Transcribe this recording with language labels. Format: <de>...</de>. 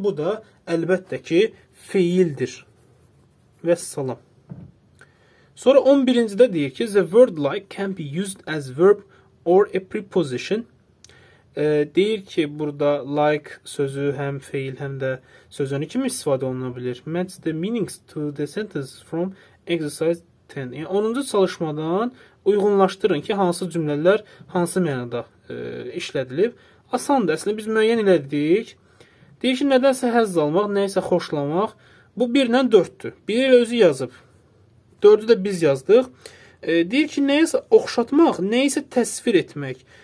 <az>Bu da əlbəttə ki, feildir. Və salam. Sonra 11-ci də deyir ki,</az> <en>the word like can be used as verb or a preposition.</en> <az>Deyir ki, burada like sözü həm feil, həm də söz önü kimi istifadə oluna bilir.</az> <en>Match the meanings to the sentence from exercise 10.</en> <az>Yəni, 10-cu çalışmadan uyğunlaşdırın ki, hansı cümlələr hansı mənada işlədilib. Asandır, əslində biz müəyyən elədik. Deyir ki, nədənsə həzz almaq, nəyəsə xoşlamaq. Bu 1-lə 4-dür. 1-i ilə özü yazıb. 4-ü də biz yazdıq. Deyir ki, nəyəsə oxşatmaq, nəyəsə təsvir etmək.</az>